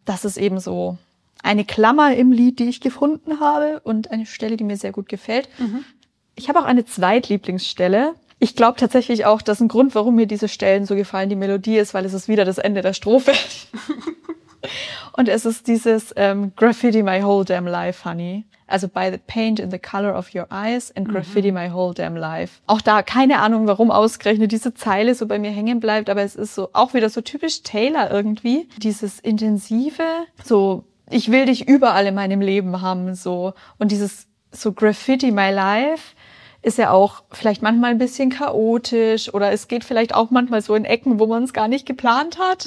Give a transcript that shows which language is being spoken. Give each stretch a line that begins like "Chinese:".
German: Das ist eben so eine Klammer im Lied, die ich gefunden habe und eine Stelle, die mir sehr gut gefällt. Mhm. Ich habe auch eine Zweitlieblingsstelle. Ich glaube tatsächlich auch, dass ein Grund, warum mir diese Stellen so gefallen, die Melodie ist, weil es ist wieder das Ende der Strophe. Und es ist dieses
English: Graffiti my whole damn life, honey. Also by the paint in the color of your eyes and graffiti my whole damn life.
German: Auch da keine Ahnung, warum ausgerechnet diese Zeile so bei mir hängen bleibt, aber es ist so auch wieder so typisch Taylor irgendwie. Dieses intensive, so ich will dich überall in meinem Leben haben, so. Und dieses so
English: graffiti my life
German: ist ja auch vielleicht manchmal ein bisschen chaotisch oder es geht vielleicht auch manchmal so in Ecken, wo man es gar nicht geplant hat.